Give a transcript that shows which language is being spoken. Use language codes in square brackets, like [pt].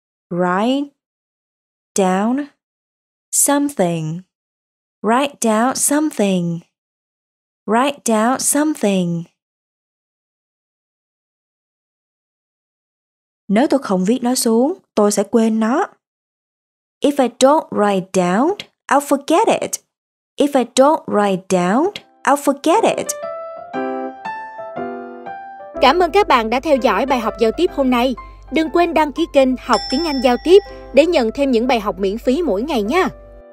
[en] Write down something. Write down something. Write down something. [vi] Nếu tôi không viết nó xuống, tôi sẽ quên nó. [en] If I don't write down, I'll forget it. If I don't write down, I'll forget it. [vi] Cảm ơn các bạn đã theo dõi bài học giao tiếp hôm nay. Đừng quên đăng ký kênh Học Tiếng Anh Giao Tiếp để nhận thêm những bài học miễn phí mỗi ngày nha.